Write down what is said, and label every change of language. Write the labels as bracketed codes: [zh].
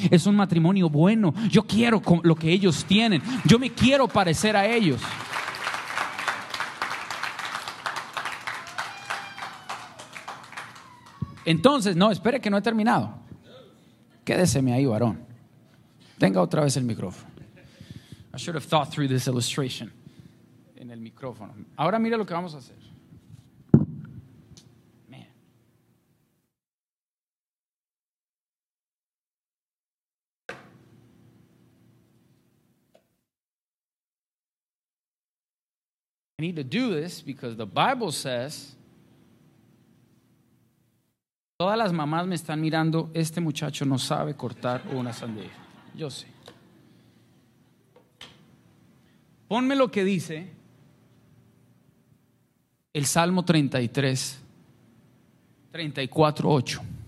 [es] Es un matrimonio bueno. Yo quiero lo que ellos tienen. Yo me quiero parecer a ellos. Entonces, no, espere que no he terminado. Quédeseme ahí, varón. Tenga otra vez el micrófono. [en] I should have thought through this illustration. [es] En el micrófono. Ahora mire lo que vamos a hacer. [en] Man. I need to do this because the Bible says. [es] Todas las mamás me están mirando, este muchacho no sabe cortar una sandía. Yo sé. Ponme lo que dice el Salmo 33, 34, 8.